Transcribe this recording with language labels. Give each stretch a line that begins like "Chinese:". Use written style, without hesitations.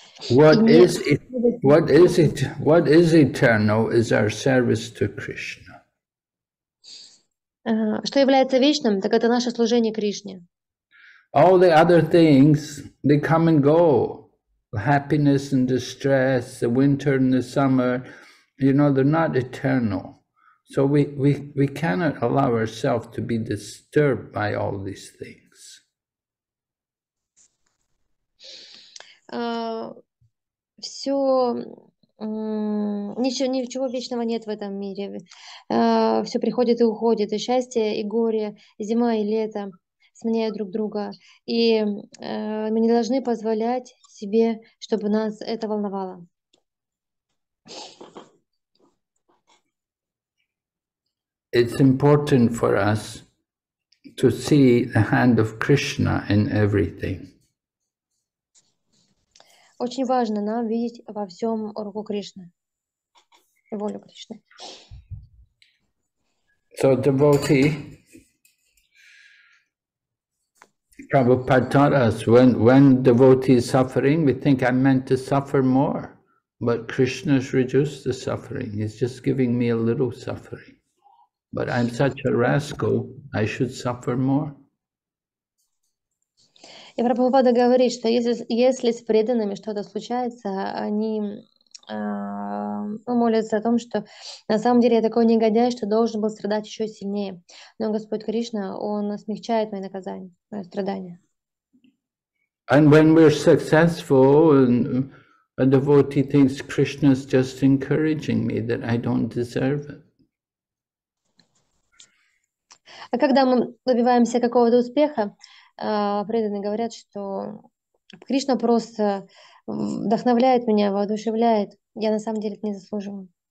English: What is eternal is our service to Krishna.
Russian: Что является вечным, так это наше служение Кришне.
English: All the other things, they come and go. Happiness and distress, the winter and the summer, you know, they're not eternal. So we cannot allow ourselves to be disturbed by all these things.
Russian: Все, ничего вечного нет в этом мире. Все приходит и уходит. И счастье, и горе, и зима, и лето сменяют друг друга. И мы не должны позволять себе, чтобы нас это волновало.
English: It's important for us to see the hand of Krishna in everything.
Russian: Очень важно нам видеть во всем руку Кришны, волю Кришны.
English: So devotee, Prabhupada taught us, when devotee is suffering, we think I'm meant to suffer more, but Krishna's reduced the suffering. He's just giving me a little suffering, but I'm such a rascal, I should suffer more.
Russian: И Прабхупада говорит, что если с преданными что-то случается, они молятся о том, что на самом деле я такой негодяй, что должен был страдать еще сильнее. Но Господь Кришна, Он смягчает мои наказания, мои страдания.
English: And when we're successful, a devotee thinks Krishna's just encouraging me that I don't deserve it.
Russian: А когда мы добиваемся какого-то успеха, преданные говорят, что Кришна просто вдохновляет меня, воодушевляет. Я на самом деле это не заслуживаю.